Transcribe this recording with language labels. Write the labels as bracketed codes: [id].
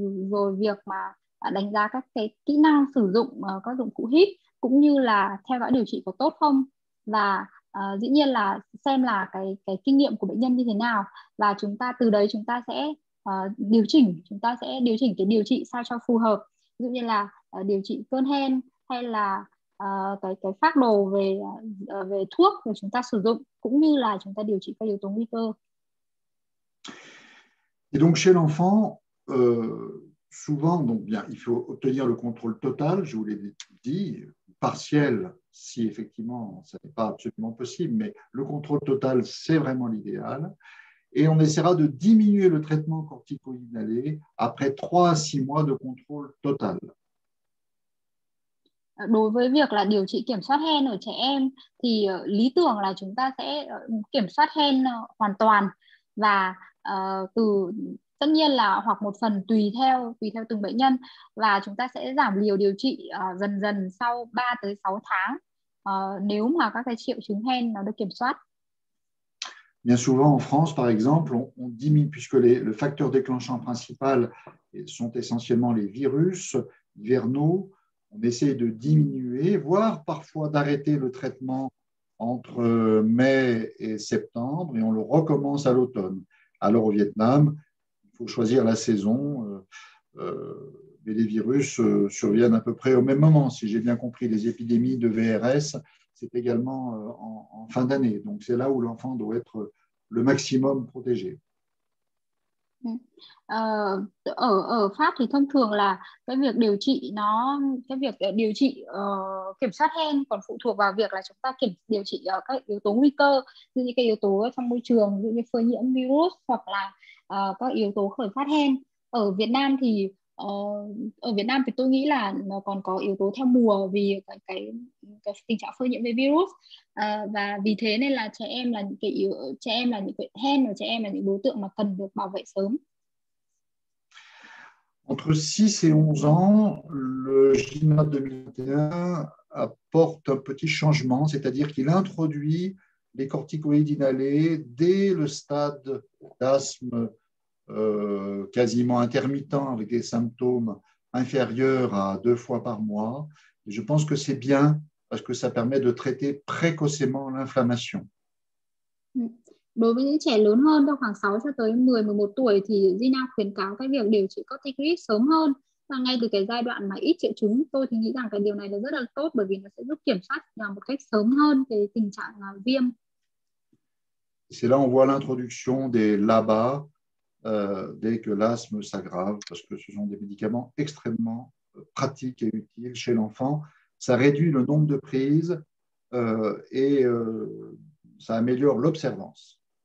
[vi] rồi việc mà đánh giá các cái kỹ năng sử dụng các dụng cụ hít, cũng như là theo dõi điều trị có tốt không, và dĩ nhiên là xem là cái kinh nghiệm của bệnh nhân như thế nào, và chúng ta từ đấy chúng ta sẽ điều chỉnh, chúng ta sẽ điều chỉnh cái điều trị sao cho phù hợp, ví dụ như là điều trị cơn hen hay là cái phác đồ về về thuốc mà chúng ta sử dụng, cũng như là chúng ta điều trị các yếu tố nguy cơ. [fr] Et donc chez l'enfant, souvent, donc bien, il faut obtenir le contrôle total, je vous l'ai dit, partiel, si effectivement ce n'est pas absolument possible, mais le contrôle total, c'est vraiment l'idéal. Et on essaiera de diminuer le traitement corticoïnalé après 3 à 6 mois de contrôle total. [vi] Đối với việc là điều trị kiểm soát hen ở trẻ em thì lý tưởng là chúng ta sẽ kiểm soát hen hoàn toàn, và từ tất nhiên là hoặc một phần tùy theo từng bệnh nhân, và chúng ta sẽ giảm liều điều trị dần dần sau 3 tới 6 tháng nếu mà các cái triệu chứng hen nó được kiểm soát. [fr] Bien souvent en France, par exemple, on diminue, puisque le facteur déclenchant principal sont essentiellement les virus hivernaux, on essaie de diminuer, voire parfois d'arrêter le traitement entre mai et septembre, et on le recommence à l'automne. Alors au Vietnam, il faut choisir la saison, mais les virus surviennent à peu près au même moment. Si j'ai bien compris, les épidémies de VRS, c'est également en fin d'année. Donc c'est là où l'enfant doit être le maximum protégé. [vi] Ở Pháp thì thông thường là cái việc điều trị kiểm soát hen còn phụ thuộc vào việc là chúng ta điều trị các yếu tố nguy cơ, như những cái yếu tố trong môi trường, như phơi nhiễm virus hoặc là các yếu tố khởi phát hen. Ở Việt Nam thì tôi nghĩ là nó còn có yếu tố theo mùa, vì cái tình trạng phơi nhiễm với virus, và vì thế nên là trẻ em là những cái hen ở trẻ em là những đối tượng mà cần được bảo vệ sớm. [fr] Entre 6 et 11 ans, le GIMA 2021 apporte un petit changement, c'est-à-dire qu'il introduit les corticoïdes inhalés dès le stade d'asthme quasiment intermittent avec des symptômes inférieure à 2 fois par mois. Et je pense que c'est bien parce que ça permet de traiter précocement l'inflammation. [vi] Đối với những trẻ lớn hơn trong khoảng 6 cho tới 10, 11 tuổi thì Gina khuyến cáo cái việc điều trị corticoid sớm hơn và ngay từ cái giai đoạn mà ít triệu chứng. Tôi thì nghĩ rằng cái điều này là rất là tốt bởi vì nó sẽ giúp kiểm soát một cách sớm hơn cái tình trạng viêm. [fr] C'est là qu'on voit l'introduction des LABA dès que l'asthme s'aggrave, parce que ce sont des médicaments extrêmement pratiques et utiles chez l'enfant. Ça réduit le nombre de prises et ça améliore l'observance.